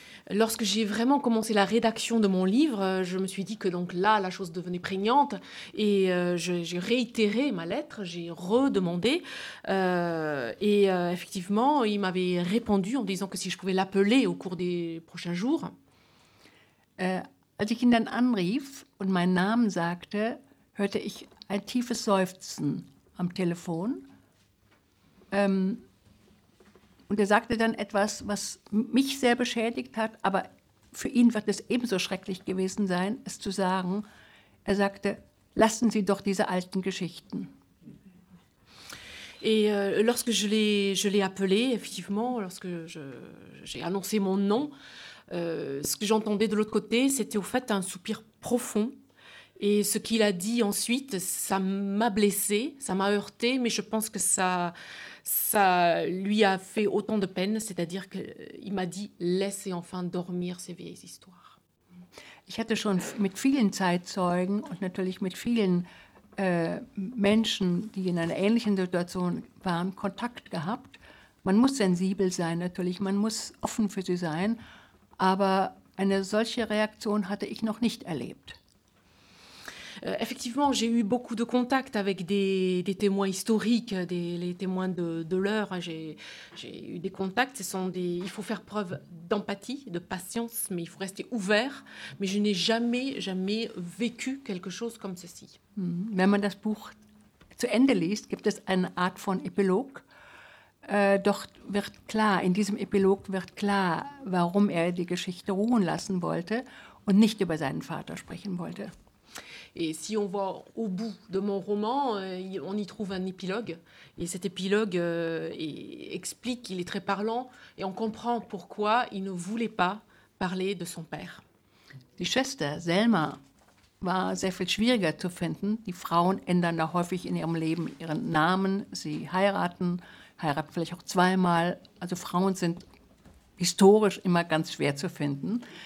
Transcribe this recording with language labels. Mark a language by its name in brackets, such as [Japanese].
[French] Lorsque j'ai vraiment commencé la rédaction de mon livre, je me suis dit que donc là, la chose devenait prégnante et j'ai réitéré ma lettre, j'ai redemandé et effectivement, il m'avait répondu en disant que si je pouvais l'appeler au cours des prochains jours. [German] Als ich ihn dann anrief und meinen Namen sagte, hörte ich ein tiefes Seufzen am Telefon. Und er sagte dann etwas, was mich sehr beschädigt hat, aber für ihn wird es ebenso schrecklich gewesen sein, es zu sagen. Er sagte, lassen Sie doch diese alten Geschichten. [French] Et lorsque je l'ai appelé, effectivement, lorsque j'ai annoncé mon nom, ce que j'entendais de l'autre côté, c'était au fait un soupir profond. Et ce qu'il a dit ensuite, ça m'a blessé, ça m'a heurté, mais je pense que ça lui a fait autant de peine, c'est-à-dire qu'il m'a dit « laissez enfin dormir ces vieilles histoires ». [German] Ich hatte schon mit vielen Zeitzeugen und natürlich mit vielen Menschen, die in einer ähnlichen Situation waren, Kontakt gehabt. Man muss sensibel sein natürlich, man muss offen für sie sein, aber eine solche Reaktion hatte ich noch nicht erlebt. [French] Effectivement, j'ai eu beaucoup de contacts avec des témoins historiques, les témoins de l'heure. J'ai eu des contacts. Il faut faire preuve d'empathie, de patience, mais il faut rester ouvert. Mais je n'ai jamais, jamais vécu quelque chose comme ceci. [German] Wenn man das Buch zu Ende liest, gibt es eine Art von Epilog. Doch wird klar, in diesem Epilog wird klar, warum er die Geschichte ruhen lassen wollte und nicht über seinen Vater sprechen wollte. [French] Et si on voit au bout de mon roman, on y trouve un épilogue. Et cet épilogue explique, il est très parlant, et on comprend pourquoi il ne voulait pas parler de son père. [German] Die Schwester Selma war sehr viel schwieriger zu finden. Die Frauen ändern da häufig in ihrem Leben ihren Namen. Sie heiraten vielleicht auch zweimal. Also Frauen sind historisch immer ganz schwer zu finden.